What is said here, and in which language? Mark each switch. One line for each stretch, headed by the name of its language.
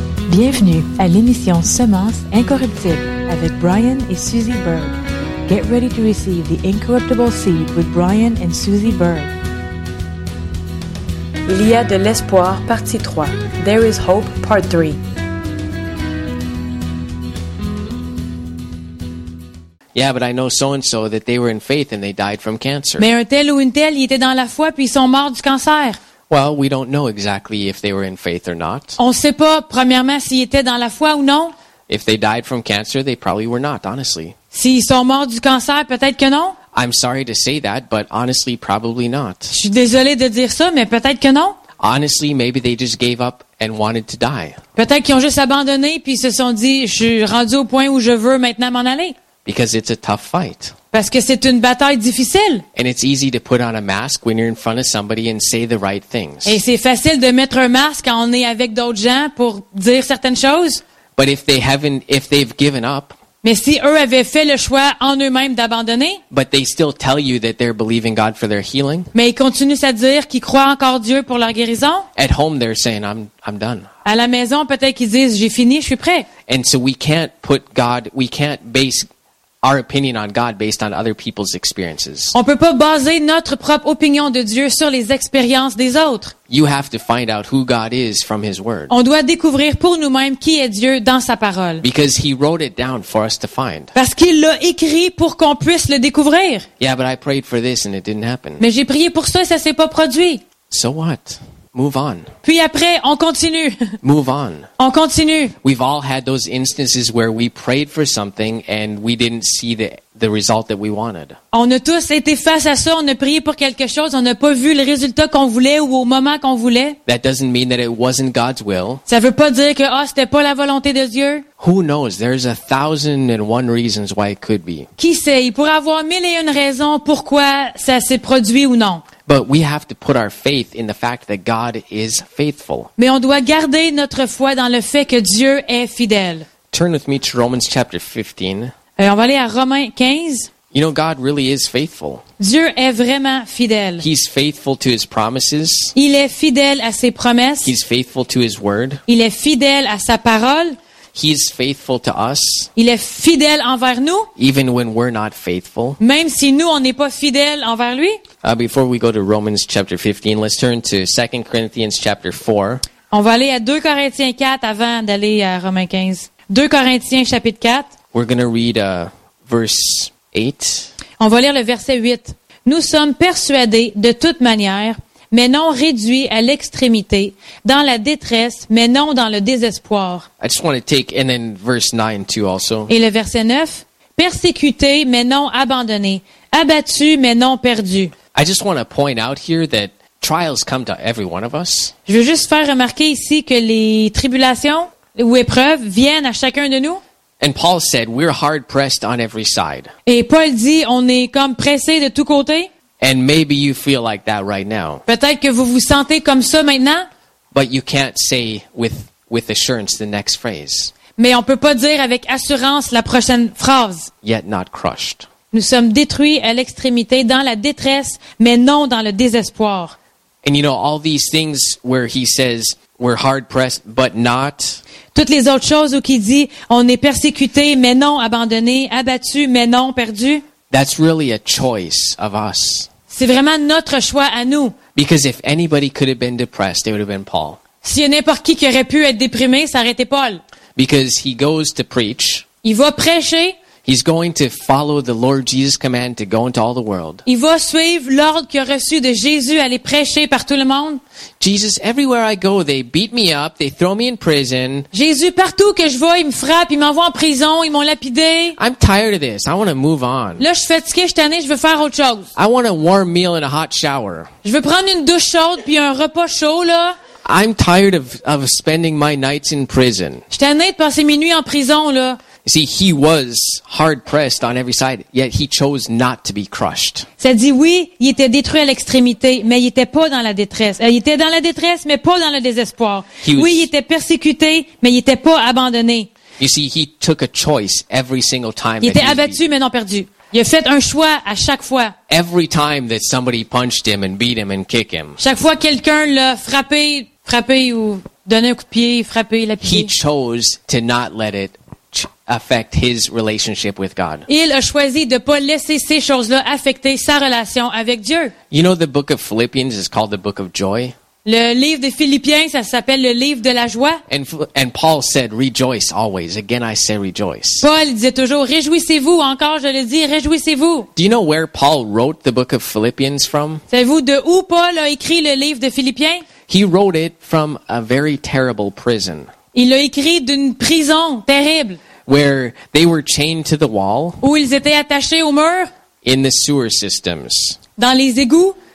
French: Bienvenue à l'émission Semence incorruptible avec Brian et Suzy Berg.
English: Get ready to receive the incorruptible seed with Brian and Suzy Berg.
French: Il y a de l'espoir, partie 3.
English: There is hope, part 3. Yeah, but I know so and so that they were in faith and they died from cancer.
French: Mais un tel ou une telle, ils étaient dans la foi puis ils sont morts du cancer.
English: Well, we don't know exactly if they were in faith or not.
French: On ne sait pas premièrement s'ils étaient dans la foi ou non.
English: If they died from cancer, they probably were not, honestly.
French: S'ils sont morts du cancer, peut-être que non.
English: I'm sorry to say that, but honestly, probably not.
French: Je suis désolé de dire ça, mais peut-être que non.
English: Honestly, maybe they just gave up and wanted to die.
French: Peut-être qu'ils ont juste abandonné puis se sont dit, je suis rendu au point où je veux maintenant m'en aller.
English: Because it's a tough fight.
French: Parce que c'est une bataille difficile.
English: And it's easy to put on a mask when you're in front of somebody and say the right things.
French: Et c'est facile de mettre un masque quand on est avec d'autres gens pour dire certaines choses.
English: But if they've given up.
French: Mais si eux avaient fait le choix en eux-mêmes d'abandonner.
English: But they still tell you that they're believing God for their healing.
French: Mais ils continuent à dire qu'ils croient encore Dieu pour leur guérison.
English: At home they're saying I'm done.
French: À la maison peut-être qu'ils disent j'ai fini, je suis prêt.
English: And so we can't put God, we can't base our opinion on God based on other people's experiences.
French: On peut pas baser notre propre opinion de Dieu sur les expériences des autres.
English: You have to find out who God is from his word.
French: On doit découvrir pour nous-mêmes qui est Dieu dans sa parole.
English: Because he wrote it down for us to find.
French: Parce qu'il l'a écrit pour qu'on puisse le découvrir.
English: Yeah, but I prayed for this and it didn't happen.
French: Mais j'ai prié pour ça et ça s'est pas produit.
English: So what? Move on.
French: Puis après, on continue.
English: Move on.
French: On continue.
English: We've all had those instances where we prayed for something and we didn't see the result that we wanted.
French: On a tous été face à ça, on a prié pour quelque chose, on n'a pas vu le résultat qu'on voulait ou au moment qu'on voulait.
English: That doesn't mean that it wasn't God's will.
French: Ça veut pas dire que c'était pas la volonté de Dieu.
English: Who knows? There's a thousand and one reasons why it could be.
French: Qui sait? Il pourrait avoir mille et une raisons pourquoi ça s'est produit ou non.
English: But we have to put our faith in the fact that God is faithful.
French: Mais on doit garder notre foi dans le fait que Dieu est fidèle.
English: Turn with me to Romans chapter 15.
French: Et on va aller à Romains 15.
English: You know, God really is faithful.
French: Dieu est vraiment fidèle.
English: He's faithful to his promises.
French: Il est fidèle à ses promesses.
English: He's faithful to his word.
French: Il est fidèle à sa parole.
English: He's faithful to us.
French: Il est fidèle envers nous.
English: Even when we're not faithful.
French: Même si nous on n'est pas fidèle envers lui.
English: Before we go to Romans chapter 15, let's turn to 2 Corinthians chapter 4.
French: On va aller à 2 Corinthiens 4 avant d'aller à Romains 15. 2 Corinthiens chapitre 4.
English: We're going to read verse 8.
French: On va lire le verset 8. Nous sommes persuadés de toute manière, mais non réduit à l'extrémité, dans la détresse, mais non dans le désespoir.
English: I just want to take, and then verse 9 too also.
French: Et le verset 9, persécuté, mais non abandonné, abattu, mais non perdu.
English: I just want to point out here that trials come to every one of us.
French: Je veux juste faire remarquer ici que les tribulations ou épreuves viennent à chacun de nous.
English: And Paul said, we're hard pressed on every side.
French: Et Paul dit, on est comme pressé de tous côtés.
English: And maybe you feel like that right now.
French: Peut-être que vous vous sentez comme ça maintenant.
English: But you can't say with assurance the next phrase.
French: Mais on peut pas dire avec assurance la prochaine phrase.
English: Yet not crushed.
French: Nous sommes détruits à l'extrémité dans la détresse, mais non dans le désespoir.
English: And you know all these things where he says we're hard pressed, but not.
French: Toutes les autres choses où il dit on est persécuté, mais non abandonné, abattu, mais non perdu.
English: That's really a choice of us.
French: C'est vraiment notre choix à nous.
English: Because if anybody could have been depressed, it would have been Paul.
French: Si n'importe qui aurait pu être déprimé, ça aurait été Paul.
English: Because he goes to preach.
French: Il va prêcher.
English: He's going to follow the Lord Jesus' command to go into all the world.
French: Il va suivre l'ordre qu'il a reçu de Jésus, aller prêcher par tout le monde.
English: Jesus, everywhere I go, they beat me up, they throw me in prison.
French: Jésus, partout que je vais, ils me frappent, ils m'envoient en prison, ils m'ont lapidé.
English: I'm tired of this. I want to move on.
French: Là, je suis fatigué, je suis tanné, je veux faire autre chose.
English: I want a warm meal and a hot shower.
French: Je veux prendre une douche chaude puis un repas chaud là.
English: I'm tired of spending my nights in prison.
French: Je suis tanné de passer mes nuits en prison là.
English: See, he was hard pressed on every side, yet he chose not to be crushed.
French: Ça dit oui, il était détruit à l'extrémité, mais il était pas dans la détresse. Il était dans la détresse, mais pas dans le désespoir. Oui, il était persécuté, mais il était pas abandonné.
English: You see, he took a choice every single time.
French: Il était abattu, mais non perdu. Il a fait un choix à chaque fois.
English: Every time that somebody punched him and beat him and kicked him.
French: Chaque fois quelqu'un l'a frappé ou donner un coup de pied, frapper, lapider.
English: He chose to not let it affect his relationship with God.
French: Il a choisi de pas laisser ces choses-là affecter sa relation avec Dieu.
English: You know, the book of Philippians is called the book of joy.
French: Le livre des Philippiens, ça s'appelle le livre de la joie.
English: And Paul said, rejoice always. Again, I say rejoice.
French: Paul disait toujours, réjouissez-vous. Encore, je le dis, réjouissez-vous.
English: Do you know where Paul wrote the book of Philippians from?
French: Savez-vous de où Paul a écrit le livre de Philippiens?
English: He wrote it from a very terrible prison.
French: Il l'a écrit d'une prison terrible.
English: Where they were chained to the wall.
French: Où ils étaient attachés au mur.
English: In the sewer systems.
French: Dans les égouts.